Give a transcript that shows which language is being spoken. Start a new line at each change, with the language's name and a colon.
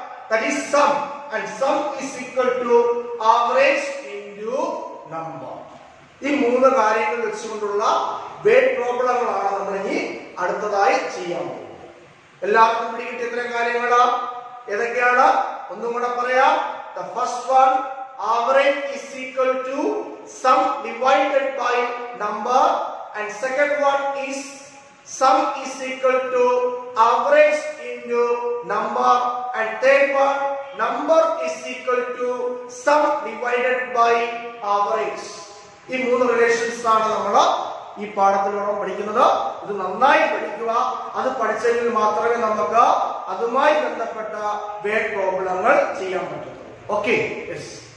English: That is sum, and sum is equal to average into number.
Malayalam: ഈ മൂന്ന് കാര്യങ്ങൾ വെച്ചുകൊണ്ടുള്ള വേറ് പ്രോബ്ലങ്ങളാണ് നമ്മൾ ഇനി അടുത്തതായി ചെയ്യാൻ പോകുന്നത്. എല്ലാവർക്കും പിടികിട്ടിയ ഇത്രയും കാര്യങ്ങളാ? ഏതൊക്കെയാണ് ഒന്നും കൂടെ പറയാം.
English: The first one, average is equal to sum divided by number, and second one is sum is equal to average into number, and third one number is equal to sum divided by average.
Malayalam: ഈ മൂന്ന് relations ആണ് നമ്മൾ ഈ പാഠത്തിലൂടെ പഠിക്കുന്നത്. ഇത് നന്നായി പഠിക്കുക. അത് പഠിച്ചെങ്കിൽ മാത്രമേ നമുക്ക് അതുമായി ബന്ധപ്പെട്ട വേഡ് പ്രോബ്ലങ്ങൾ ചെയ്യാൻ പറ്റുള്ളൂ. Okay, yes.